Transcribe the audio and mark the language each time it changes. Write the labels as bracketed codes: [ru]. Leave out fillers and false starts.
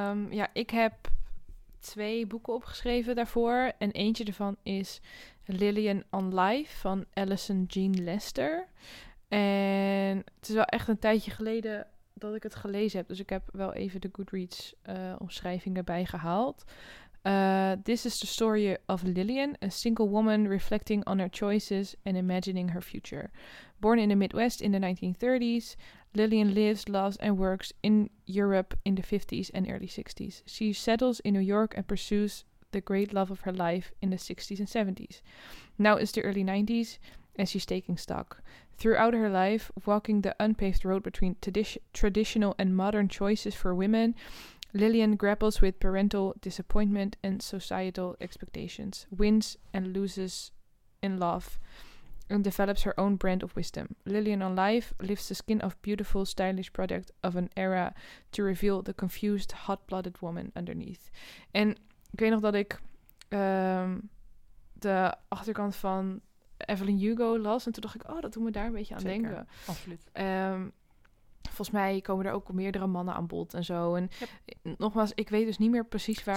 [nl] Ja, ik heb 2 boeken opgeschreven daarvoor. En eentje ervan is Lillian on Life van Allison Jean Lester. En het is wel echt een tijdje geleden dat ik het gelezen heb. Dus ik heb wel even de Goodreads omschrijving erbij gehaald. [en] This is the story of Lillian, a single woman reflecting on her choices and imagining her future. Born in the Midwest in the 1930s, Lillian lives, loves and works in Europe in the 50s and early 60s. She settles in New York and pursues the great love of her life in the 60s and 70s. Now it's the early 90s and she's taking stock. Throughout her life, walking the unpaved road between traditional and modern choices for women, Lillian grapples with parental disappointment and societal expectations, wins and loses in love, and develops her own brand of wisdom. Lillian on Life lifts the skin off beautiful, stylish product of an era to reveal the confused, hot-blooded woman underneath. [nl] En ik weet nog dat ik de achterkant van Evelyn Hugo las en toen dacht ik, oh, dat doet me daar een beetje aan Zeker. Denken. Absoluut. Volgens mij komen er ook meerdere mannen aan bod en zo. En yep. Nogmaals, ik weet dus niet meer precies waar